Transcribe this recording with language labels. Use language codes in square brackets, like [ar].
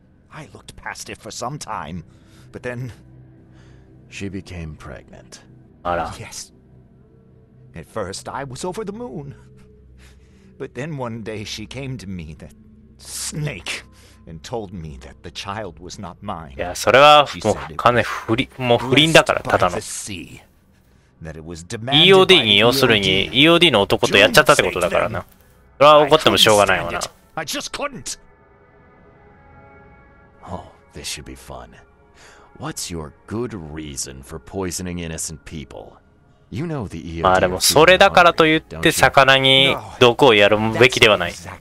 [en] I looked past it for some time, but then she became pregnant. [ja] あら。 [en] Yes. At first, I was over the moon, but then one day she came to me, that snake, and told me that the child was not mine. [ja] いや、それはもう完全不倫、もう不倫だから、ただの。 EOD に要するに EOD の男とやっちゃったってことだからな。それは怒ってもしょうがないわな。 [en] I just couldn't. Oh, this should be fun. What's your good reason for poisoning innocent people? You know the EOD. [ja] まあでもそれだからといって魚に毒をやるべきではない。